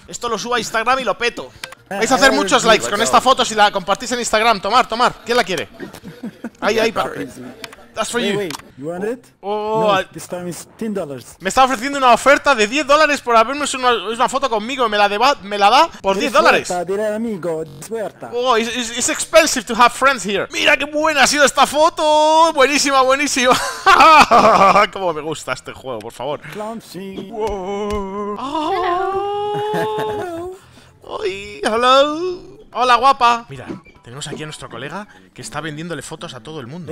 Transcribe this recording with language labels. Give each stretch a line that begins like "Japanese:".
Spanish: Esto lo subo a Instagram y lo peto. Vais a hacer muchos likes con esta foto si la compartís en Instagram. Tomar, tomar. ¿Quién la quiere? Ahí, ahí, para.
English: That's for you. You want it? Oh, no, this time is $10.
Spanish: Me está ofreciendo una oferta de $10 por haberme hecho una foto conmigo. Me la da por $10.
English: Oh, it's expensive to have friends here.
Spanish: Mira qué buena ha sido esta foto. Buenísima, buenísima. Cómo me gusta este juego, por favor.
English: Clumsy. Oh. Hello. Ay, hello.
Spanish: Hola, guapa. Mira. Tenemos aquí a nuestro colega que está vendiéndole fotos a todo el mundo.